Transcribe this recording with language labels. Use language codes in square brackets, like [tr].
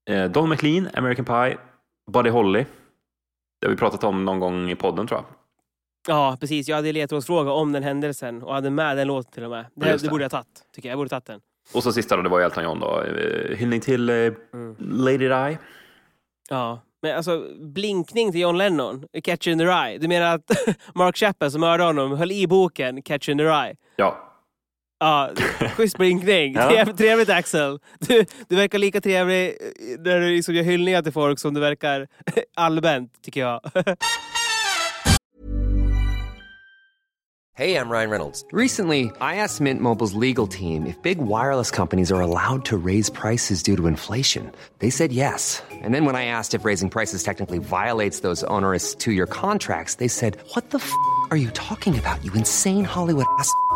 [en] Don McLean, American Pie, Buddy Holly. [sv] Det har vi pratat om någon gång i podden, tror jag. Ja, precis. Jag hade ledtrådsfråga om den händelsen och hade med den låten till och med. Det, det borde jag tagit, tycker jag. Jag borde tagit den. Och så sista då, det var ju Elton John då. Hyllning till Lady Di. Ja, men alltså blinkning till John Lennon, Catcher in the Rye. Du menar att Mark Chapman som hörde honom höll i boken Catcher in the Rye? Ja. Ja, schysst blinkning. Ja. Trevligt, Axel. Du verkar lika trevlig när du liksom gör hyllningar till folk som du verkar allmänt, tycker jag. [en] Hey, I'm Ryan Reynolds. Recently, I asked Mint Mobile's legal team if big wireless companies are allowed to raise prices due to inflation. They said yes. And then when I asked if raising prices technically violates those onerous two-year contracts, they said, what the f*** are you talking about, you insane Hollywood ass f***?